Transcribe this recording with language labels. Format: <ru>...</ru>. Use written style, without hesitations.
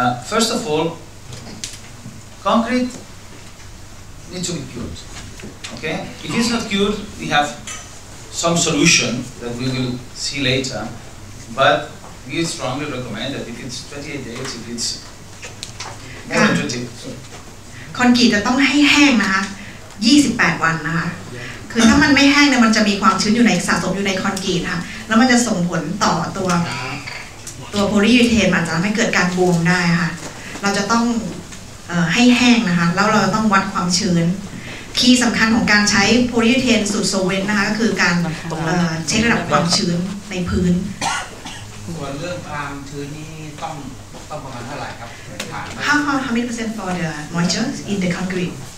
<en>First of all, concrete needs to be cured. Okay? If it's not cured, we have some solution that we will see later, but we strongly recommend that if it's 28 days, if it's more than 20.</en> <th>Concrete จะต้องให้แห้งนะคะ28วันนะคะคือถ้ามันไม่แห้งเนี่ยมันจะมีความชื้นอยู่ในสะสมอยู่ในคอนกรีตค่ะแล้วมันจะส่งผลต่อตัวโพลียูเทนมันจะทำให้เกิดการบวมได้ค่ะเราจะต้องให้แห้งนะคะแล้วเราต้องวัดความชื้นคีย์สำคัญของการใช้โพลียูเทนสูตรโซเวนนะคะก็คือการเช็คระดับความชื้นในพื้น ควรเรื่องความชื้นนี่ต้องประมาณเท่าไหร่ครับ</th> <en>How many percent for the moisture in the concrete?</en>